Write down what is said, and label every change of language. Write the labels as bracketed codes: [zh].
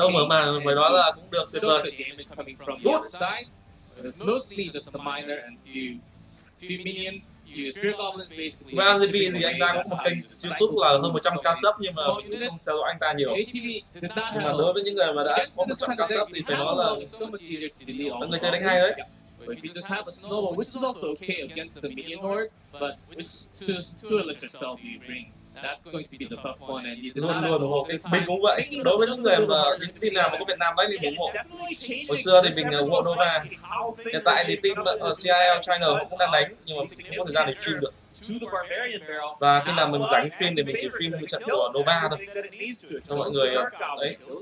[vi] đấu mở màn với nó là cũng được tuyệt vời. [en] Good side, mostly just the miner and few minions. [vi] Với iamJP thì anh đang có một kênh YouTube là hơn 100k sub nhưng mà cũng không theo dõi anh ta nhiều. Nhưng mà đối với những người mà đã có 100k sub thì phải nói là những người chơi đánh hay đấy. [en] But if you just have a snowball, which is also okay against the minion horde, but with two electric spells you bring, that's going to be the tough one. And you [vi] luôn luôn ủng hộ mình cũng vậy. Đối với những người mà những team nào mà có Việt Nam đấy thì ủng hộ. Hồi xưa thì mình ủng hộ Nova. Hiện tại thì team ở CRL China họ cũng đang đánh nhưng mà mình không có thời gian để stream được. Và khi nào mình rảnh stream thì mình chỉ stream những trận của Nova thôi cho mọi người đấy.